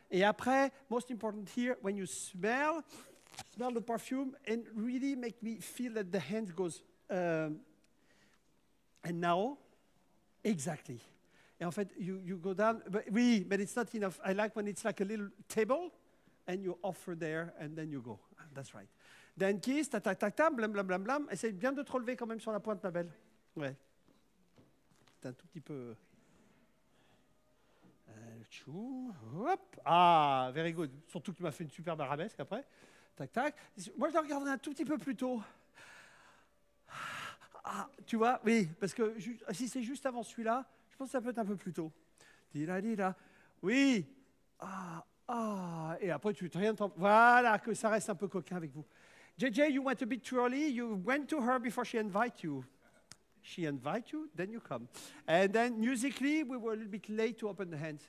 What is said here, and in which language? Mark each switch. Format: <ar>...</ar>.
<en>And après, most important here, when you smell the perfume and really make me feel that the hand goes. And now, exactly. And in fact, you go down, but it's not enough. I like when it's like a little table and you offer there and then you go. That's right. Then kiss, ta ta ta ta, blam blam blam blam.</en> <fr>Essaye bien de te relever quand même sur la pointe, ma belle. Ouais. C'est un tout petit peu.</fr> <en>Tchou, hop. Ah, very good.</en> <fr>Surtout que tu m'as fait une superbe arabesque après. Tac tac. Moi, je la regarderai un tout petit peu plus tôt. Ah, tu vois, oui, parce que si c'est juste avant celui-là, je pense que ça peut être un peu plus tôt. Dila, dila. Oui. Ah, ah. Et après, tu n'as rien de temps. Voilà, que ça reste un peu coquin avec vous.</fr> <en>JJ, you went a bit too early. You went to her before she invited you. She invited you, then you come. And then musically, we were a little bit late to open the hands.</en>